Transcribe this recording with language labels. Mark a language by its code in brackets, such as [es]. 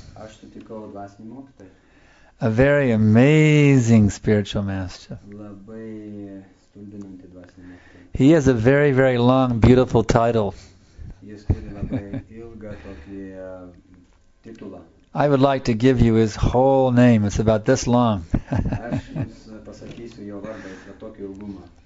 [lt] Aš sutikau dvasinį mokytoją. [en] A very amazing spiritual master. [lt] Labai stulbinantį dvasinį mokytoją. [en] He has a very, very long, beautiful title. [lt] Jis turi labai ilgą tokį titulą. [en] I would like to give you his whole name. It's about this long. [lt] Aš jums pasakysiu jo vardą, jis yra tokį ilgumą.